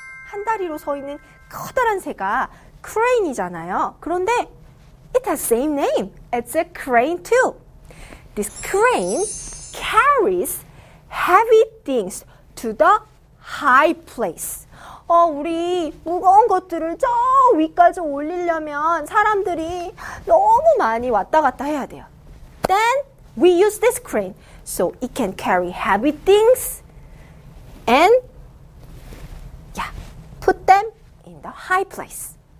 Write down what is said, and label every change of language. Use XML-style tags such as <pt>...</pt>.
<ko>한 다리로 서 있는 커다란 새가 크레인이잖아요. 그런데</ko> <en>it has same name. It's a crane too. This crane carries heavy things to the high place.</en> <ko>우리 무거운 것들을 저 위까지 올리려면 사람들이 너무 많이 왔다 갔다 해야 돼요.</ko> <en>Then we use this crane so it can carry heavy things and put them in the high place.</en>